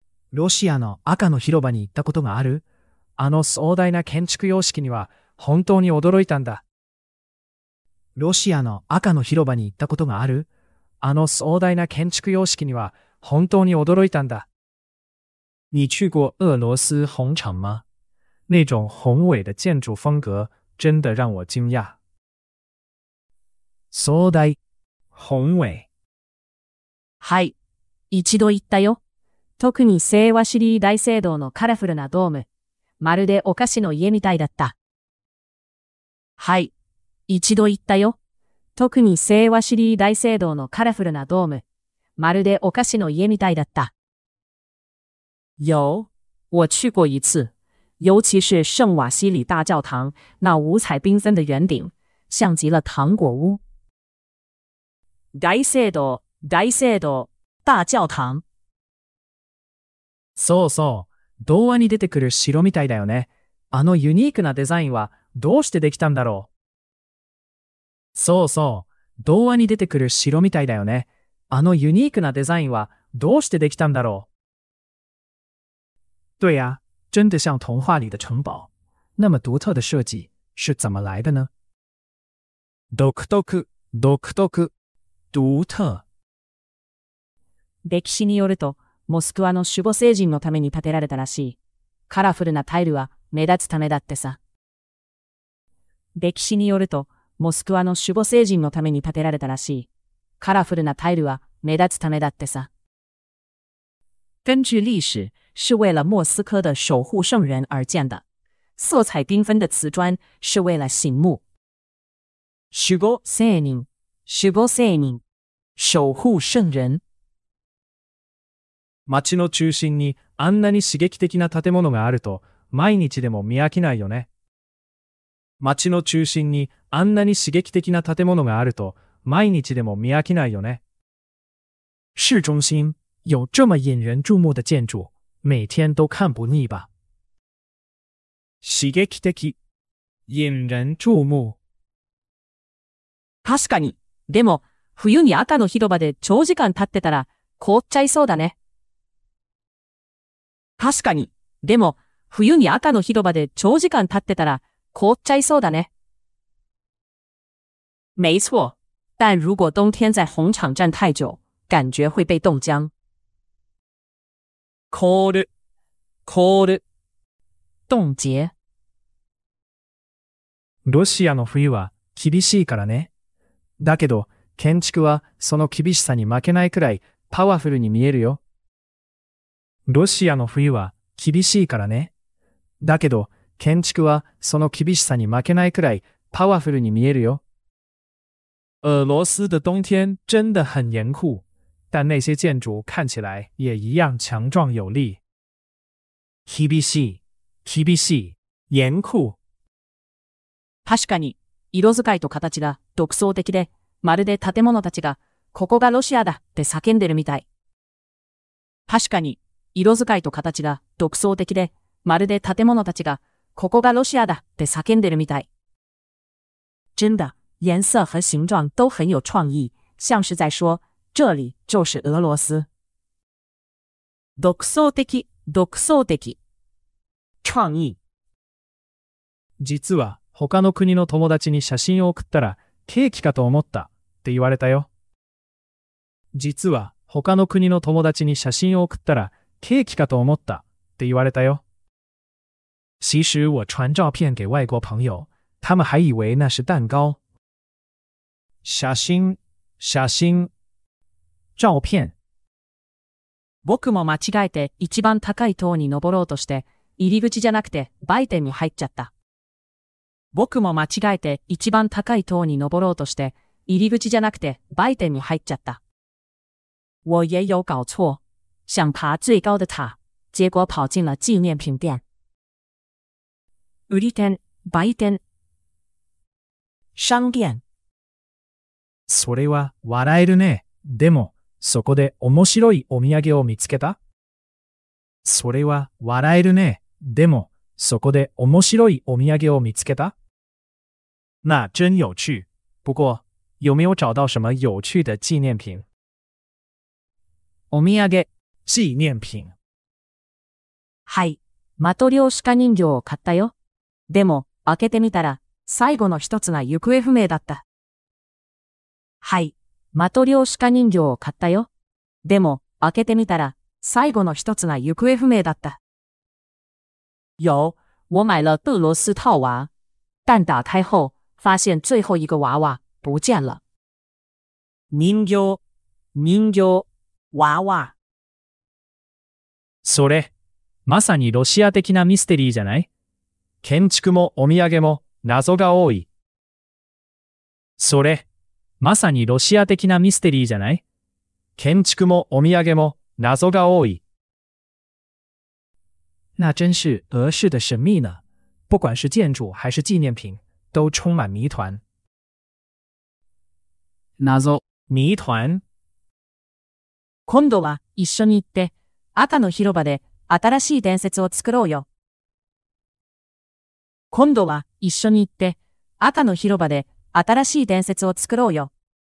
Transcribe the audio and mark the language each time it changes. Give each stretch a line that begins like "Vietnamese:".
Japanese: ロシアの赤の広場に行ったことがある?あの壮大な建築様式には本当に驚いたんだ。ロシアの赤の広場に行ったことがある?あの壮大な建築様式には本当に驚いたんだ。
Chinese: 你去过俄罗斯红场吗？那种宏伟的建筑风格真的让我惊讶。
Japanese: 壮大、宏伟。はい、一度行ったよ。特に聖ワシリー大聖堂のカラフルなドーム、まるでお菓子の家みたいだった。はい、一度行ったよ。特に聖ワシリー大聖堂のカラフルなドーム、まるでお菓子の家みたいだった。
Chinese: 有，我去过一次，尤其是圣瓦西里大教堂那五彩缤纷的圆顶，像极了糖果屋。
Japanese: 大聖堂、大聖堂、大教堂。そうそう、童話に出てくる城みたいだよね。あのユニークなデザインはどうしてできたんだろう。そうそう、童話に出てくる城みたいだよね。あのユニークなデザインはどうしてできたんだろう。
Chinese: 对呀，真的像童话里的城堡，那么独特的设计是怎么来的呢？
Japanese: 独特、独特、独特。歴史によると、モスクワの守護聖人のために建てられたらしい。カラフルなタイルは目立つためだってさ。歴史によると、モスクワの守護聖人のために建てられたらしい。カラフルなタイルは目立つためだってさ。
Chinese: 根据历史，是为了莫斯科的守护圣人而建的。色彩缤纷的瓷砖是为了醒目。
Japanese: 守護聖人、守護聖人、守護圣人。町の中心にあんなに刺激的な建物があると毎日でも見飽きないよね。町の中心にあんなに刺激的な建物があると毎日でも見飽きないよね。
Chinese: 市中心有这么引人注目的建筑，每天都看不腻吧？
Japanese: 刺激的，引人注目。確かに。でも、冬に赤の広場で長時間立ってたら凍っちゃいそうだね。確かに。でも、冬に赤の広場で長時間立ってたら凍っちゃいそうだね。
Chinese: 没错，但如果冬天在红场站太久，感觉会被冻僵。
Japanese: 凍る、
English: cold.
Chinese: 冻结。
Japanese: ロシアの冬は厳しいからね。だけど、建築はその厳しさに負けないくらいパワフルに見えるよ。ロシアの冬は厳しいからね。だけど、建築はその厳しさに負けないくらいパワフルに見えるよ。
Chinese: 俄罗斯的冬天真的很严酷。但那些建筑看起来也一样强壮有力。
Japanese: 厳しい、厳しい、严酷。確かに、色使いと形が独創的で、まるで建物たちが、ここがロシアだって叫んでるみたい。確かに、色使いと形が独創的で、まるで建物たちが、ここがロシアだって叫んでるみたい。
Chinese: 真的、颜色和形状都很有创意、像是在说、这里就是俄罗斯。
Japanese: 独創的、独創的。
Chinese: 创意。
Japanese: 実は、他の国の友達に写真を送ったら、ケーキかと思ったって言われたよ。実は、他の国の友達に写真を送ったら、ケーキかと思ったって言われたよ。
Chinese: 其实我传照片给外国朋友，他们还以为那是蛋糕。
Japanese: 写真、写真、
Chinese: 照片。
Japanese: 僕も間違えて一番高い塔に登ろうとして、入り口じゃなくて売店に入っちゃった。僕も間違えて一番高い塔に登ろうとして、入り口じゃなくて売店に入っちゃった。
Chinese: 我也有搞错，想爬最高的塔，结果跑进了纪念品店。
Japanese: 売り店、売店、
Chinese: 商店。
Japanese: それは笑えるね。でも、そこで面白いお土産を見つけた？それは笑えるね。でも、そこで面白いお土産を見つけた？
Chinese: 那真有趣。不过、有没有找到什么有趣的纪念品？
Japanese: お土産、
Chinese: 纪念品。
Japanese: はい、マトリョーシカ人形を買ったよ。でも、開けてみたら、最後の一つが行方不明だった。はい、マトリョーシカ人形を買ったよ。でも、開けてみたら、最後の一つが行方不明だった。
Chinese: 有、我买了俄罗斯套娃。但打开后、发现最后一个娃娃、不见了。
Japanese: 人形、人形、
Chinese: 娃娃。
Japanese: それ、まさにロシア的なミステリーじゃない？建築もお土産も謎が多い。それ、まさにロシア的なミステリーじゃない？建築もお土産も謎が多い。
Chinese: 那真是俄式的神秘呢。不管是建筑还是纪念品、都充满谜团。
Japanese: 謎、
Chinese: 谜团。
Japanese: 今度は一緒に行って、赤の広場で新しい伝説を作ろうよ。今度は一緒に行って、赤の広場で新しい伝説を作ろうよ。